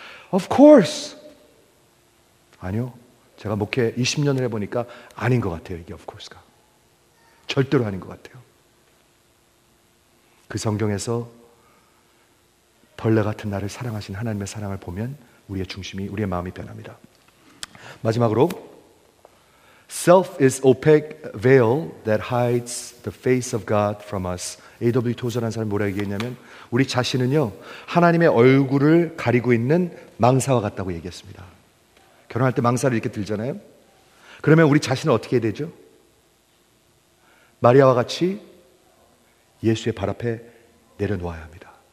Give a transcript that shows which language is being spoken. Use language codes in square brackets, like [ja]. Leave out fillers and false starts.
[en] Of course. [ko] 아니요. 제가 목회 20년을 해보니까 아닌 것 같아요. 이게 of course가. 절대로 아닌 것 같아요. 그 성경에서 벌레 같은 나를 사랑하신 하나님의 사랑을 보면 우리의 중심이, 우리의 마음이 변합니다. 마지막으로 [en] Self is opaque veil that hides the face of God from us. A.W. [ko] Tozer라는 사람이 뭐라고 얘기했냐면 우리 자신은요 하나님의 얼굴을 가리고 있는 망사와 같다고 얘기했습니다. 결혼할 때 망사를 이렇게 들잖아요. 그러면 우리 자신은 어떻게 해야 되죠? 마리아와 같이 예수의 발 앞에 내려놓아야 합니다.